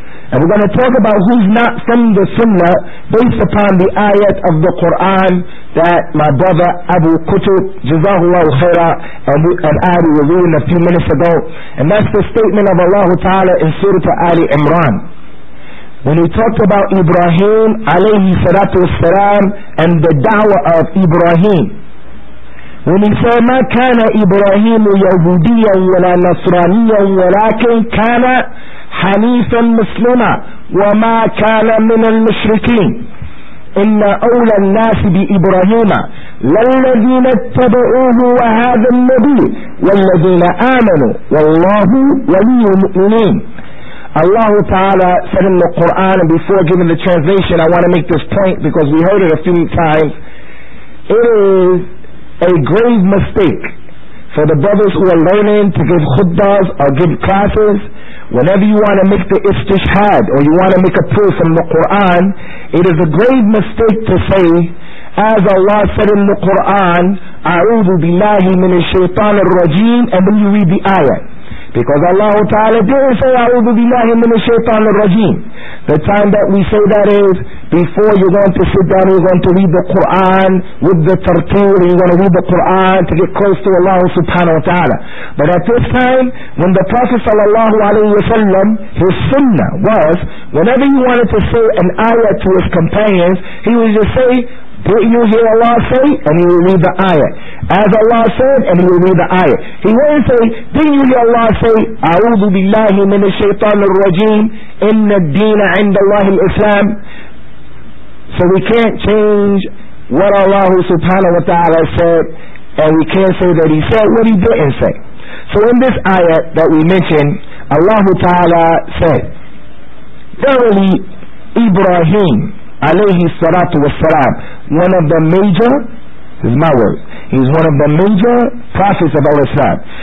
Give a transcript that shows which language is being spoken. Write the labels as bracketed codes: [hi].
[en] And we're going to talk about who's not from the Sunnah based upon the ayat of the Qur'an that my brother Abu Qutb, Jazahullah Khaira, and Ali were reading a few minutes ago. And that's the statement of Allah Ta'ala in Surah Ali Imran. When he talked about Ibrahim alayhi salatu wassalam and the da'wah of Ibrahim, when he said, [ar] مَا كَانَ إِبْرَاهِيمُ يَهُودِيًا وَلَا نَصْرَانِيًا وَلَكِنْ كَانَ حَنِيفًا مُسْلِمًا وَمَا كَانَ مِنَ الْمُشْرِكِينَ إِنَّ أَوْلَى النَّاسِ بِإِبْرَاهِيمَ لَلَّذِينَ اتَّبَعُوهُ وَهَذَا النَّبِيُّ وَالَّذِينَ آمَنُوا وَاللَّهُ وَلِيُّ الْمُؤْمِنِينَ. [en] Allah Ta'ala said in the Qur'an, and before giving the translation, I want to make this point because we heard it a few times. It is a grave mistake for the brothers who are learning to give khutbahs or give classes. Whenever you want to make the istishhad or you want to make a proof from the Qur'an, it is a grave mistake to say, as Allah said in the Qur'an, [ar] أَعُوذُ بِاللَّهِ مِنَ الشَّيْطَانِ الرَّجِيمِ, [en] and then you read the ayah. Because Allah Ta'ala didn't say [ar] أَعُوذُ بِاللَّهِ مِنَ الشَّيْطَانِ الرَّجِيمِ. [en] The time that we say that is before you're going to sit down, you're going to read the Qur'an with the tartil, you're going to read the Qur'an to get close to Allah Subhanahu Wa Ta'ala. But at this time, when the Prophet Sallallahu Alaihi Wasallam, his sunnah was, whenever he wanted to say an ayah to his companions, he would just say, what you hear Allah say, and he will read the ayah. As Allah said, and he will read the ayah. He won't say, didn't you hear Allah say, [ar] أعوذ بالله من الشيطان الرجيم, إن الدين عند الله الإسلام. [en] So we can't change what Allah Subhanahu Wa Ta'ala said, and we can't say that he said what he didn't say. So in this ayah that we mentioned, Allah Ta'ala said, verily Ibrahim alayhi salatu wasalam, one of the major, this is my word, he's one of the major prophets of Al-Islam.